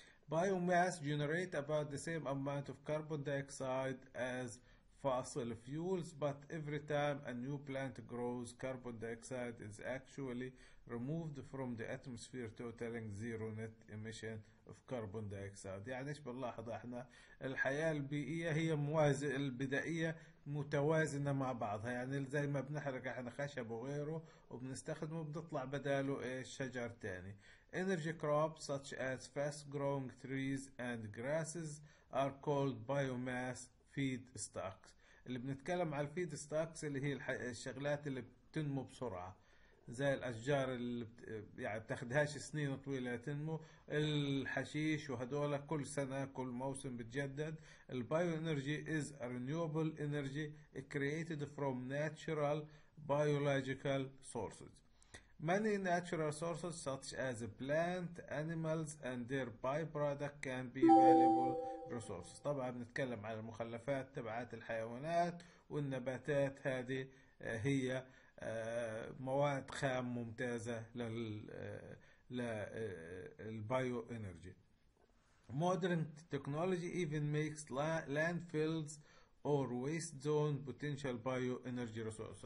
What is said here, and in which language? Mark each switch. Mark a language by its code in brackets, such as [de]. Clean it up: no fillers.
[en] Biomass generate about the same amount of carbon dioxide as fossil fuels, but every time a new plant grows, carbon dioxide is actually removed from the atmosphere, totaling zero net emission of carbon dioxide. [ar] يعني ايش بنلاحظ احنا؟ الحياة البيئية هي موازنة، البدائية متوازنة مع بعضها، يعني زي ما بنحرق احنا خشب وغيره وبنستخدمه بنطلع بداله ايش؟ شجر تاني. [en] Energy crops such as fast growing trees and grasses are called biomass feed stocks. [ar] اللي بنتكلم على الفيد ستوكس اللي هي الشغلات اللي بتنمو بسرعة، زي الأشجار اللي يعني بتاخدهاش سنين طويلة تنمو، الحشيش وهدول كل سنة كل موسم بتجدد. [en] البايو energy is a renewable energy created from natural biological sources. Many natural sources such as plant, animals and their byproduct can be valuable resources. [ar] طبعا بنتكلم على المخلفات تبعات الحيوانات والنباتات، هذه هي مواد خام ممتازة للبايو انرجي. [en] Modern technology even makes landfills or waste zone potential bio energy resource.